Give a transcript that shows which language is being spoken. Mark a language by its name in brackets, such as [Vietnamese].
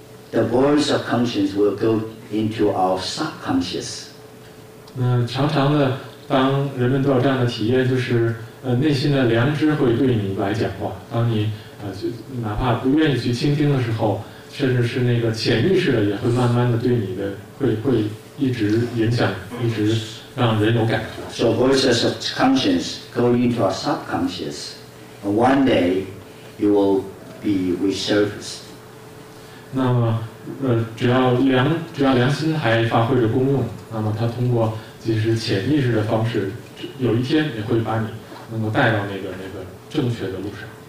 [English] The voice of conscience will go into our subconscious. [Chinese] 那常常的当人们都有这样的体验，就是内心的良知会对你来讲话。当你哪怕不愿意去倾听的时候，甚至是那个潜意识的，也会慢慢的对你的会一直影响，一直让人有感觉。 [English] So voices of conscience go into our subconscious, and one day you will be resurfaced. [Chinese] 那么只要良心还发挥着功用，那么它通过其实潜意识的方式，有一天也会把你能够带到那个正确的路上。